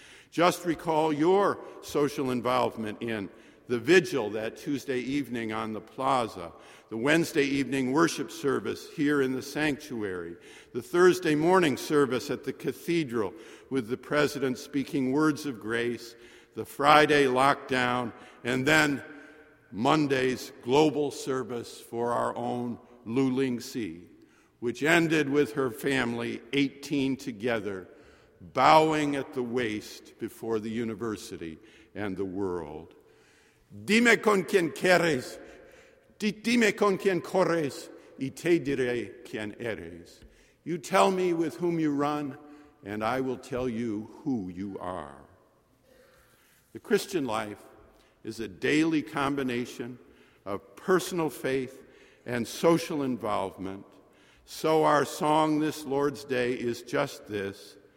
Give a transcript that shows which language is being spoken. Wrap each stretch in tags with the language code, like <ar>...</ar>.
<en>Just recall your social involvement in the vigil that Tuesday evening on the plaza, the Wednesday evening worship service here in the sanctuary, the Thursday morning service at the cathedral with the president speaking words of grace, the Friday lockdown, and then Monday's global service for our own Lu Lingxi, which ended with her family, 18 together, bowing at the waist before the university and the world.</en> <es>Dime con quien quieres, dime con quien corres, y te diré quien eres.</es> <en>You tell me with whom you run, and I will tell you who you are. The Christian life is a daily combination of personal faith and social involvement. So our song this Lord's Day is just this.</en>